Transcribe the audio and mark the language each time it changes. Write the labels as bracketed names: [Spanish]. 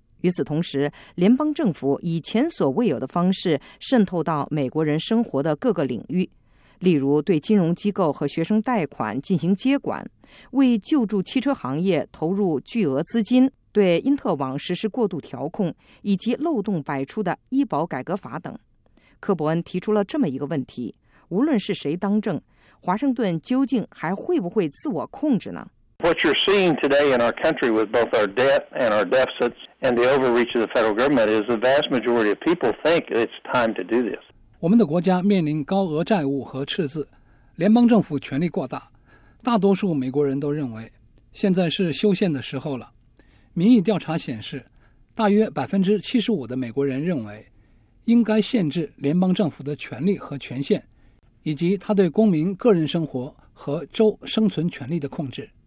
[Chinese] 与此同时，联邦政府以前所未有的方式渗透到美国人生活的各个领域，例如对金融机构和学生贷款进行接管，为救助汽车行业投入巨额资金，对因特网实施过度调控，以及漏洞百出的医保改革法等。科伯恩提出了这么一个问题，无论是谁当政，华盛顿究竟还会不会自我控制呢？ [English] What you're seeing today in our country with both our debt and our deficits and the overreach of the federal government is the vast majority of people think it's time to do this. [Chinese] 我们的国家面临高额债务和赤字，联邦政府权力过大，大多数美国人都认为现在是修宪的时候了。民意调查显示，大约75%的美国人认为应该限制联邦政府的权力和权限，以及他对公民个人生活和州生存权利的控制。